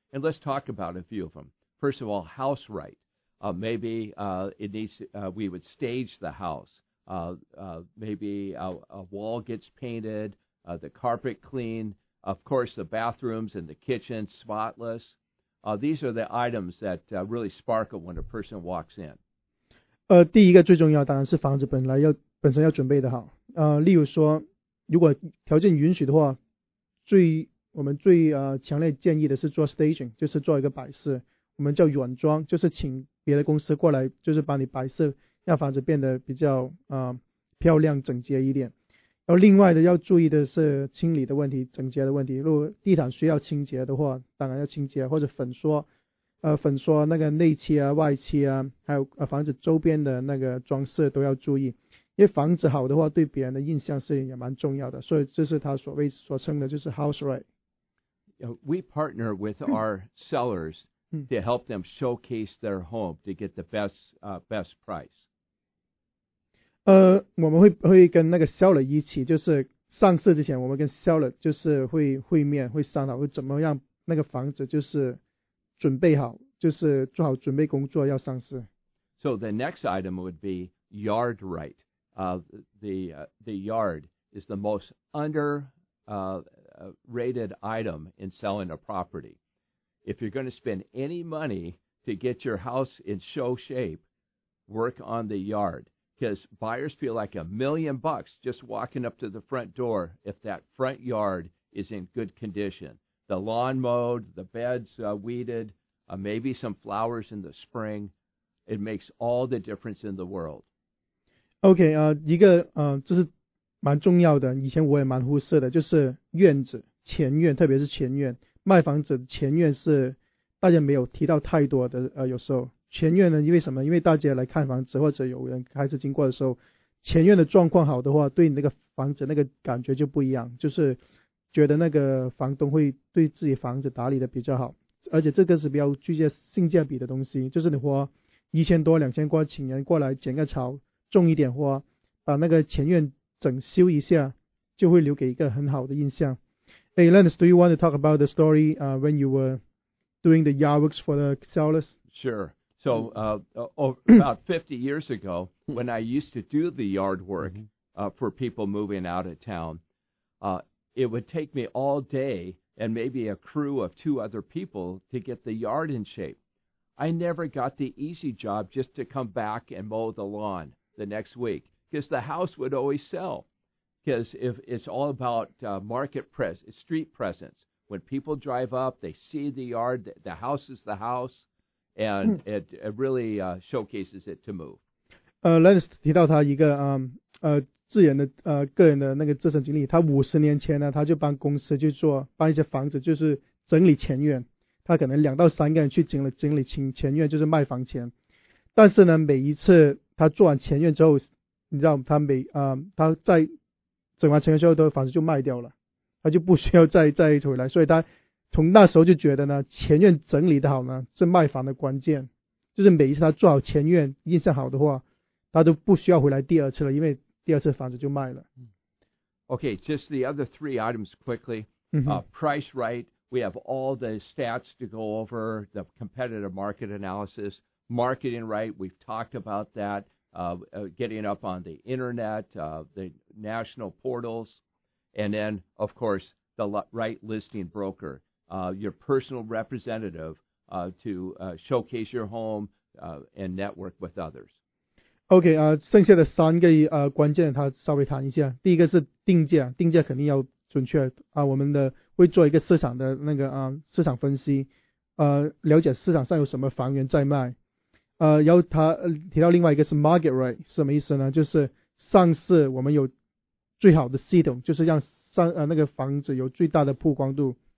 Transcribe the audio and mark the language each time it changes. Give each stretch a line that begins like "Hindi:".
English: And let's talk about a few of them. First of all, house right. We would stage the house. Maybe a wall gets painted, the carpet clean. Of course, the bathrooms and the kitchen, spotless. These are the items that really sparkle when a person walks in.
Chinese: 第一个最重要当然是房子本身要准备的好。例如说如果条件允许的话，我们最强烈建议的是做 staging， 就是做一个摆设，我们叫软装，就是请别的公司过来，就是帮你摆设，让房子变得比较漂亮整洁一点。然后另外的要注意的是清理的问题，整洁的问题，如果地毯需要清洁的话，当然要清洁，或者粉刷那个内漆啊、外漆啊，还有房子周边的那个装饰都要注意，因为房子好的话对别人的印象是也蛮重要的，所以这是他所称的就是 house right。
English: We partner with our sellers to help them showcase their home to get the best price。
Chinese: 我们 会跟那个 seller 一起，就是上市之前我们跟 seller 就是会会面，会商量会怎么样那个房子就是准备好，就是做好准备工作要上市。
English: So the next item would be yard right. The yard is the most underrated item in selling a property. If you're going to spend any money to get your house in show shape, work on the yard. Because buyers feel like $1 million just walking up to the front door if that front yard is in good condition. The lawn mowed, the beds weeded,maybe some flowers in the spring, it makes all the difference in the world.
Chinese: Okay, 一个这是蛮重要的，以前我也蛮忽视的，就是院子前院，特别是前院，卖房子前院是大家没有提到太多的。有时候前院呢，因为什么？因为大家来看房子或者有人开始经过的时候，前院的状况好的话，对你那个房子那个感觉就不一样，就是觉得那个房东会对自己房子打理的比较好。而且这个是比较具有性价比的东西，就是你花1000多2000块请人过来剪个草，种一点花，把那个前院整修一下，就会留给一个很好的印象。
English: Hey, Lennis, do you want to talk about the story when you were doing the yard works for the sellers? Sure. So about 50 years ago, when I used to do the yard work for people moving out of town, it would take me all day and maybe a crew of two other people to get the yard in shape. I never got the easy job just to come back and mow the lawn the next week because the house would always sell. Because if it's all about market presence, street presence. When people drive up, they see the yard, the house is the house, and it really showcases it to move.
Chinese: Lennis 提到他一个自然的个人的那个自身经历，他50年前呢，他就帮公司去做帮一些房子，就是整理前院。他可能2到3个人去整理前院，就是卖房钱。但是呢，每一次他做完前院之后，你知道他每他在整完成之后的房子就卖掉了，他就不需要再回来，所以他从那时候就觉得呢，前院整理的好呢是卖房的关键，就是每一次他做好前院印象好的话，他都不需要回来第二次了，因为第二次房子就卖了。
English: Okay, just the other three items quickly. Price right, we have all the stats to go over, the competitive market analysis. Marketing right, we've talked about that. Getting up on the internet, the national portals, and then, of course, the right listing broker, your personal representative to showcase your home and network with others.
Chinese: Okay, 剩下的三个关键他稍微谈一下。第一个是定价，定价肯定要准确啊，我们的会做一个市场的那个市场分析，了解市场上有什么房源在卖。然后他提到另外一个是 market right, 是什么意思呢？就是上市我们有最好的系统，就是让那个房子有最大的曝光度。